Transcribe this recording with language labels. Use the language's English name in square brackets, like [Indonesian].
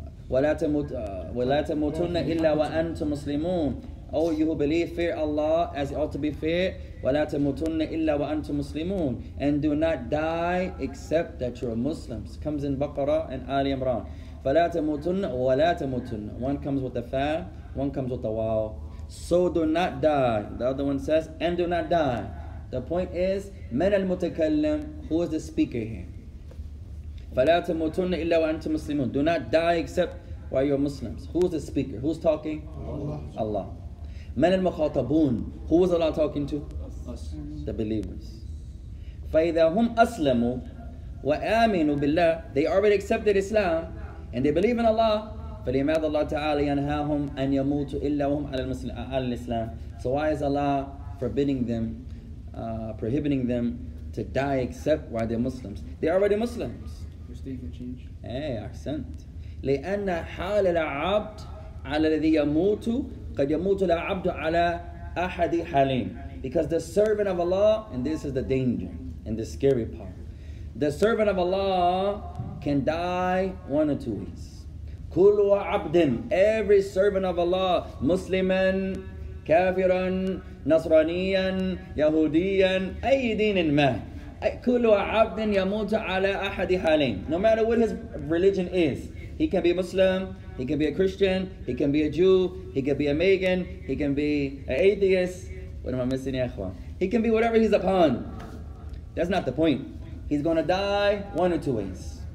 [Arabic] ولا تموتن إلا وأنتم مسلمون. [English] Oh, you who believe, fear Allah as it ought to be feared. [Arabic] ولا تموتن إلا وأنتم مسلمون. [English] And do not die except that you are Muslims. Comes in Baqarah and Ali Imran. [Arabic] فلا تموتن ولا تموتن. [English] One comes with the fa, one comes with the waw. So do not die. The other one says, and do not die. The point is, [Arabic] من المتكلم, [English] who is the speaker here? [Arabic] فلا تموتن إلا وأنتم مسلمون. [English] Do not die except while you're Muslims. Who's the speaker? Who's talking? Allah. [Arabic] من المخاطبون. [English] Who is Allah talking to? Us. The believers. [Arabic] فإذا هم أسلموا وآمنوا بالله. [English] They already accepted Islam and they believe in Allah. [Arabic] فلماذا الله تعالى ينهاهم أن يموتوا إلا وهم على الإسلام. [English] So why is Allah forbidding them, prohibiting them to die except while they're Muslims? They're already Muslims. [Arabic] لأن حال العبد على الذي يموت قد يموت العبد على أحد حالين. [English] Because the servant of Allah, and this is the danger and the scary part, the servant of Allah can die one or two ways. [Arabic] كل عبد, [English] every servant of Allah, [Arabic] مسلما كافرا نصرانيا يهوديا أي دين ما. كل عبد يموت على أحد حالين. [English] No matter what his religion is, he can be a Muslim, he can be a Christian, he can be a Jew, he can be a Megan, he can be an atheist. What am I missing, ya akhwan? He can be whatever he's upon. That's not the point. He's gonna die one or two ways.